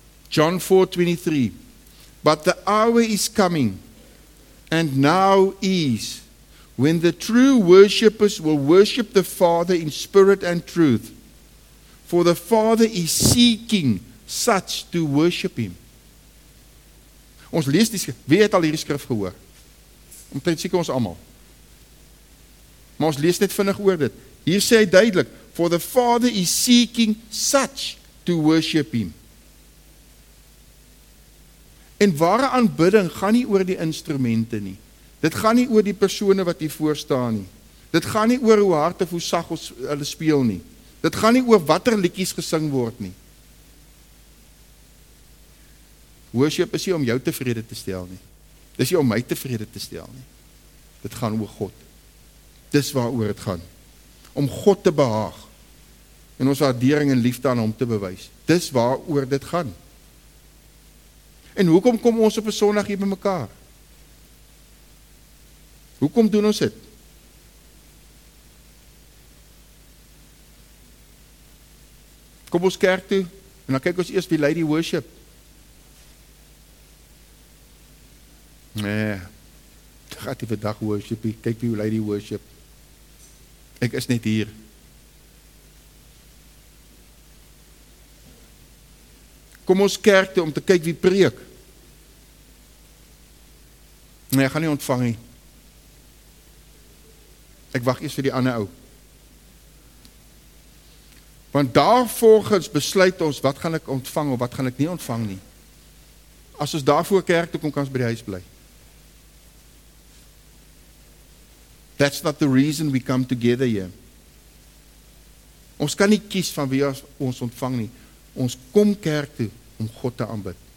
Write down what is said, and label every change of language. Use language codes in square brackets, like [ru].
[en] John 4:23. But the hour is coming, and now is, when the true worshippers will worship the Father in spirit and truth, for the Father is seeking such to worship Him. [af] Ons lees die skrif, wie het al hierdie skrif gehoor? Omtrent seker ons allemaal. Maar ons lees net vinnig oor dit. Hier sê hy duidelik, [en] for the Father is seeking such to worship Him. [af] En ware aanbidding gaan nie oor die instrumente nie. Dit gaan nie oor die persone wat hier voor staan nie. Dit gaan nie oor hoe hard of hoe sag hulle speel nie. Dit gaan nie oor watter liedjies gesing word nie. Worship is nie om jou tevrede te stel nie. Dis nie om my tevrede te stel nie. Dit gaan oor God. Dis waaroor dit gaan. Om God te behaag en ons waardering en liefde aan hom te bewys. Dis waaroor dit gaan. En hoekom kom ons op 'n Sondag hier by mekaar? Hoekom doen ons dit? Kom ons kerk toe, en dan kyk ons eers wie lei die worship. Nee, daar gaat die vandag worship, kyk wie lei die worship. Ek is net hier. Kom ons kerk toe om te kyk wie preek. Nee, ek gaan nie ontvang nie. Ek wacht eers vir die ander ou. Want daarvolgens besluit ons, wat gaan ek ontvang, of wat gaan ek nie ontvang nie. As ons daarvoor kerk toe kom, kan ons by die huis bly. [en] That's not the reason we come together here. [af] Ons kan nie kies van wie ons ontvang nie. Ons kom kerk toe om God te aanbid.